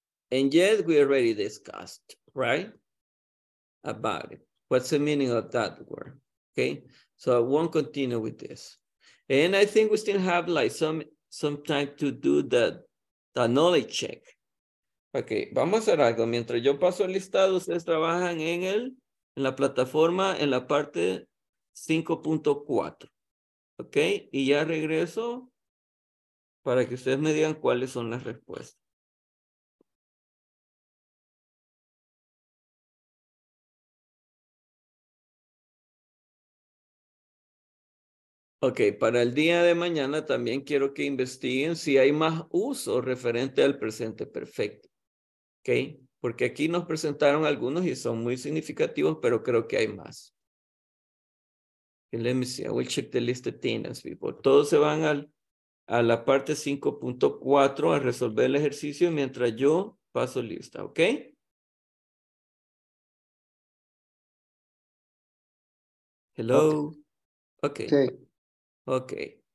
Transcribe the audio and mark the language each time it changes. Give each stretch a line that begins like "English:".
English: And yet we already discussed, right? About it. What's the meaning of that word? Okay, so I won't continue with this. And I think we still have like some time to do the knowledge check.
Spanish: Okay, vamos a hacer algo. Mientras yo paso el listado, ustedes trabajan en el... en la plataforma, en la parte 5.4. ¿Ok? Y ya regreso para que ustedes me digan cuáles son las respuestas. Ok, para el día de mañana también quiero que investiguen si hay más uso referente al presente perfecto. ¿Ok? Porque aquí nos presentaron algunos y son muy significativos, pero creo que hay más.
English: Let me see. I will check the list of tenants, people.
Spanish: Todos se van a la parte 5.4 a resolver el ejercicio mientras yo paso lista, ¿ok?
English: Hello. Okay. Okay.